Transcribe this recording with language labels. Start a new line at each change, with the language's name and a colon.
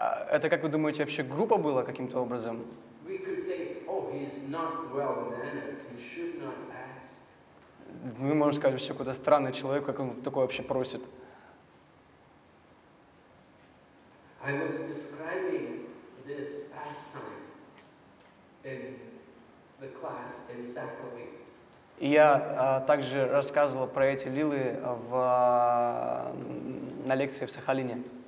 Russian: Это, как вы думаете, вообще грубо было каким-то образом?
English: We could say, oh, he is not well-mannered, he should not ask.
Russian: Мы можем сказать, вообще какой-то странный человек, как он такое вообще просит.
English: I was describing this pastime in the class in Sakhalin.
Russian: И я также рассказывал про эти лилы на лекции в Сахалине.